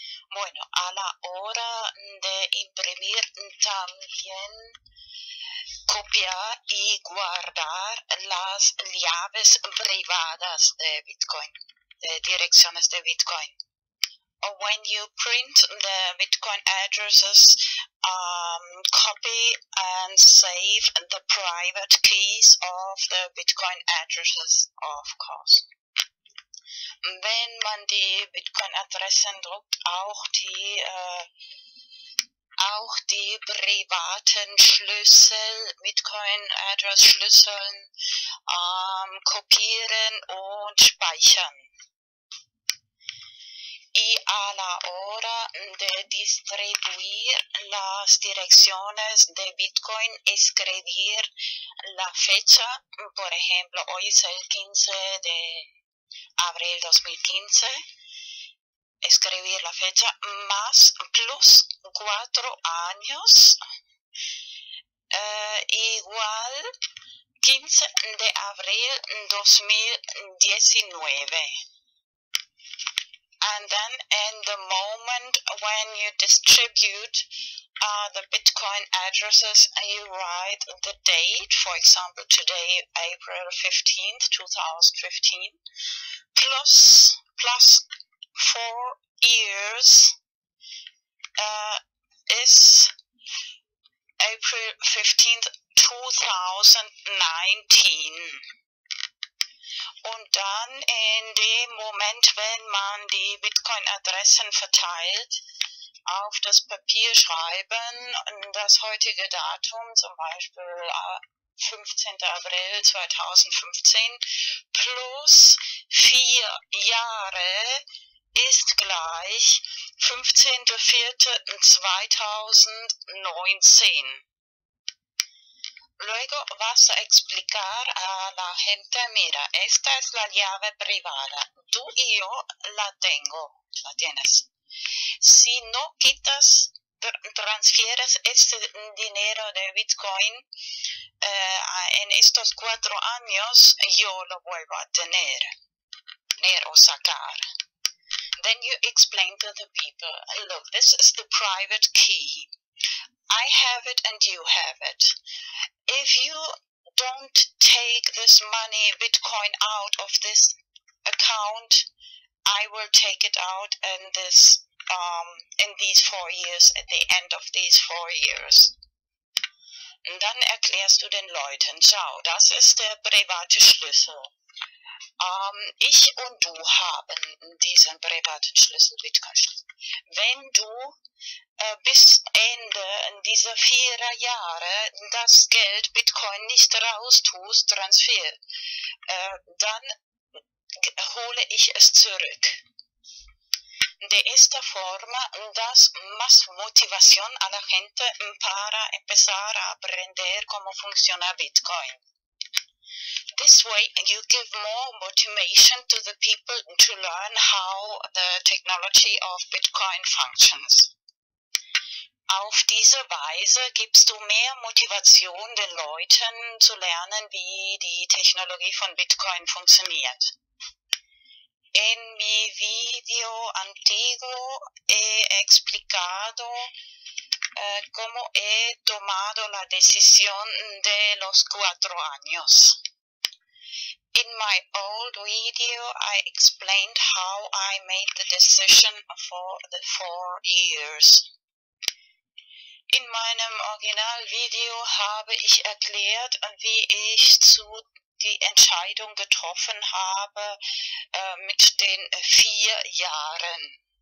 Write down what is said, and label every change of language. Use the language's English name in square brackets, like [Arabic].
[Spanish] Bueno, a la hora de imprimir también copiar y guardar las llaves privadas de Bitcoin, de direcciones de Bitcoin. [English] When you print the Bitcoin addresses, copy and save the private keys of the Bitcoin addresses, of course. [German] Wenn man die Bitcoin-Adressen druckt, auch die privaten Schlüssel, Bitcoin-Address-Schlüsseln, kopieren und speichern. [Spanish] Y a la hora de distribuir las direcciones de Bitcoin, escribir la fecha, por ejemplo, hoy es el 15 de abril 2015, escribir la fecha más [English] plus [Spanish] 4 años, igual 15 de abril 2019. [English] And then in the moment when you distribute the Bitcoin addresses, you write the date, for example, today, April 15th, 2015, plus 4 years is April 15th, 2019. [German] Und dann in dem Moment, wenn man die Bitcoin-Adressen verteilt, auf das Papier schreiben, das heutige Datum, zum Beispiel 15. April 2015, plus 4 Jahre, ist gleich 15.04.2019. [Spanish] Luego vas a explicar a la gente, mira, esta es la llave privada. Tú y yo la tengo, la tienes. Si no quitas, transfieres este dinero de Bitcoin, en estos 4 años, yo lo vuelvo a tener o sacar. [English] Then you explain to the people, look, this is the private key. I have it and you have it. If you don't take this money, Bitcoin, out of this account, I will take it out in this, in these 4 years, at the end of these 4 years. [German] Und dann erklärst du den Leuten, schau, das ist der private Schlüssel. Ich und du haben diesen privaten Schlüssel, Bitcoin-Schlüssel. Wenn du bis Ende dieser 4 Jahre das Geld Bitcoin nicht raustust, Transfer, dann hole ich es zurück. [Spanish] De esta forma das más motivación a la gente para empezar a aprender cómo funciona Bitcoin. [English] This way, you give more motivation to the people to learn how the technology of Bitcoin functions. [German] Auf diese Weise gibst du mehr Motivation den Leuten zu lernen, wie die Technologie von Bitcoin funktioniert. [Spanish] En mi video antiguo he explicado cómo he tomado la decisión de los 4 años. [English] In my old video, I explained how I made the decision for the 4 years. [German] In meinem Originalvideo habe ich erklärt, wie ich zu die Entscheidung getroffen habe mit den 4 Jahren.